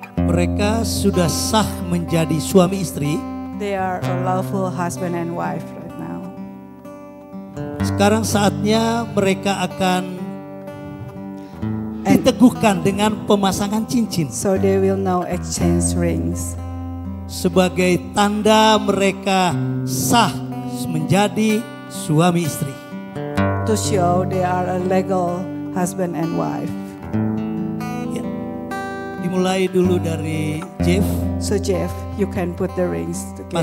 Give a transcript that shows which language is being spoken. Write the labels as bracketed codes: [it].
[id] Mereka sudah sah menjadi suami istri. [en] They are a lawful husband and wife right now. [id] Sekarang saatnya mereka akan diteguhkan dengan pemasangan cincin. [en] So they will now exchange rings. [id] Sebagai tanda mereka sah menjadi suami istri. [en] To show they are a legal husband and wife. [id] Mulai dulu dari Jeff. [en] So Jeff, you can put the rings to Gabby.